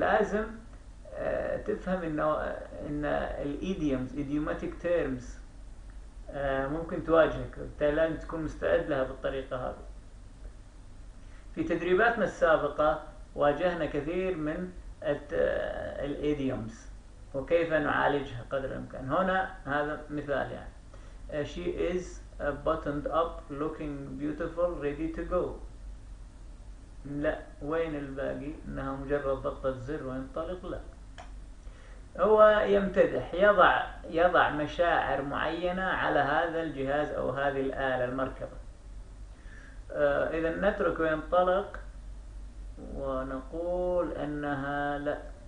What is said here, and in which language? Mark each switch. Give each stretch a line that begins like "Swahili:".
Arabic: لازم تفهم إن الإيديومز، إيديوماتيك تيرمز، ممكن تواجهك، بالتالي لازم تكون مستعد لها بالطريقة هذه. في تدريباتنا السابقة واجهنا كثير من الإيديومز وكيف نعالجها قدر الإمكان. هنا هذا مثال يعني.
English: She is buttoned up, looking beautiful, ready to go.
Arabic: لا، وين الباقي؟ إنها مجرد ضغطة زر وينطلق؟ لا. هو يمتدح، يضع مشاعر معينة على هذا الجهاز أو هذه الآلة، المركبة. إذا نترك وينطلق ونقول إنها لا.